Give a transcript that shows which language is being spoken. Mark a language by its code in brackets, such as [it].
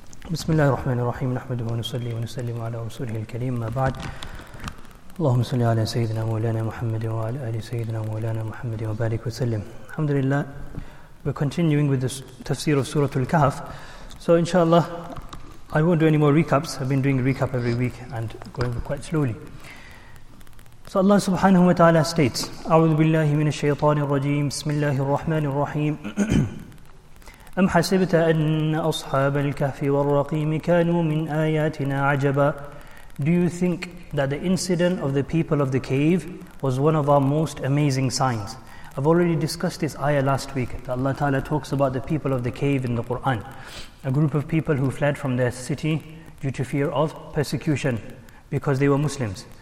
[ar] بسم الله الرحمن الرحيم نحمده ونصلي ونسلم على رسوله الكريم ما بعد. اللهم صل على سيدنا مولانا محمد وعلى آل سيدنا مولانا محمد وبارك وسلم. الحمد لله. [en] We're continuing with the tafsir of Surah Al-Kahf. So inshallah, I won't do any more recaps. I've been doing a recap every week and going quite slowly. So Allah subhanahu wa ta'ala states, [ar] أعوذ بالله من الشيطان الرجيم بسم الله الرحمن الرحيم أم حسبت أن أصحاب الكهف والرقيم كانوا من آياتنا عجبا. [en] Do you think that the incident of the people of the cave was one of our most amazing signs? I've already discussed this ayah last week, that Allah Ta'ala talks about the people of the cave in the Qur'an. A group of people who fled from their city due to fear of persecution because they were Muslims.